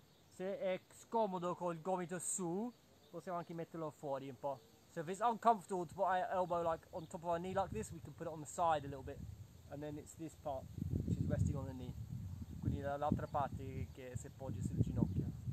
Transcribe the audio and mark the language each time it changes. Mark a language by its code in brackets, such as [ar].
[it] Se è scomodo col gomito su, possiamo anche metterlo fuori un po'. [en] So if it's uncomfortable to put our elbow like on top of our knee like this, we can put it on the side a little bit. And then it's this part which is resting on the knee. [it] Quindi l'altra parte che si appoggia sul ginocchio.